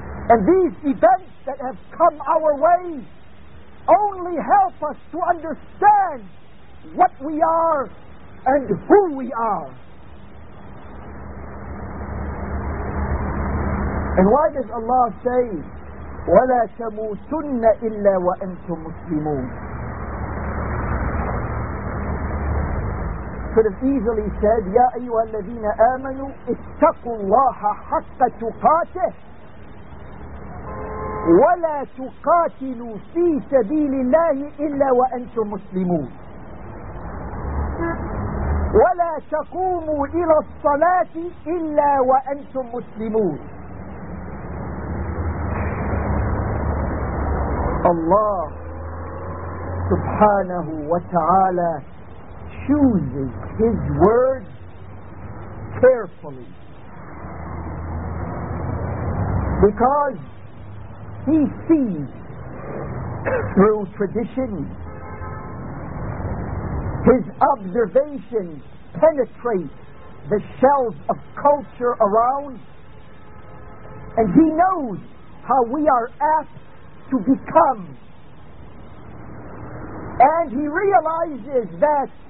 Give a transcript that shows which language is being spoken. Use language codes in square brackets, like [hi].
[en] And these events that have come our way only help us to understand what we are and who we are. And why does Allah say, [ar] وَلَا تَمُوتُنَّ إِلَّا وَأَنْتُمْ مُسْلِمُونَ? [en] Could have easily said, [ar] يَا أَيُّهَا الَّذِينَ آمَنُوا اتَّقُوا اللَّهَ حَقَّ تُقَاتِهِ وَلَا تُقَاتِلُوا فِي سَبِيلِ اللَّهِ إِلَّا وَأَنْتُمْ مُسْلِمُونَ وَلَا تَقُومُوا إِلَى الصَّلَاةِ إِلَّا وَأَنْتُمْ مُسْلِمُونَ. [en] Allah subhanahu wa ta'ala chooses his words carefully because he sees through tradition, his observations penetrate the shells of culture around, and he knows how we are apt to become. And he realizes that